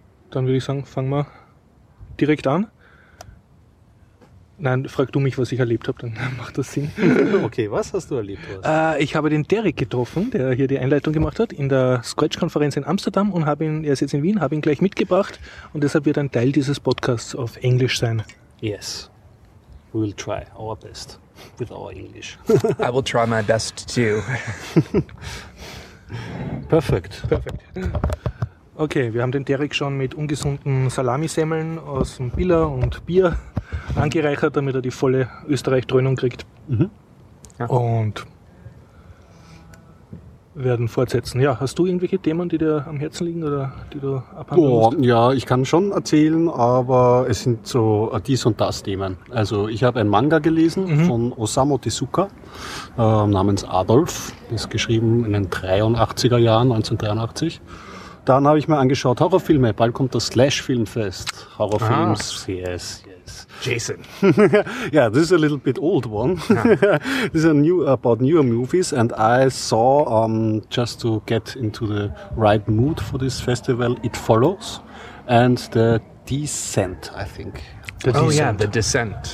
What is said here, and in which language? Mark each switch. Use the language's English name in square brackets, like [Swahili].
[German] Dann würde ich sagen, fangen wir direkt an. Nein, frag du mich, was ich erlebt habe, dann macht das Sinn. Okay, was hast du erlebt? Ich habe den Derek getroffen, der hier die Einleitung gemacht hat, in der Scratch-Konferenz in Amsterdam und er ist jetzt in Wien, habe ihn gleich mitgebracht und deshalb wird ein Teil dieses Podcasts auf Englisch sein. [English] Yes, we will try our best with our English. I will try my best too. Perfect. Perfect. [German] Okay, wir haben den Derek schon mit ungesunden Salamisemmeln aus dem Biller und Bier angereichert, damit er die volle Österreich-Dröhnung kriegt. Und werden fortsetzen. Ja, hast du irgendwelche Themen, die dir am Herzen liegen oder die du abhandeln musst? Ja, ich kann schon erzählen, aber es sind so dies und das Themen. Also ich habe ein Manga gelesen von Osamu Tezuka namens Adolf. Ist geschrieben in den 83er Jahren, 1983. Dann habe ich mir angeschaut, Horrorfilme, bald kommt das Slash-Filmfest. [English] Horrorfilms. Yes, yes. Jason. Yeah, this is a little bit old one. This is a new about newer movies, and I saw, just to get into the right mood for this festival, It Follows and The Descent, I think. The Descent.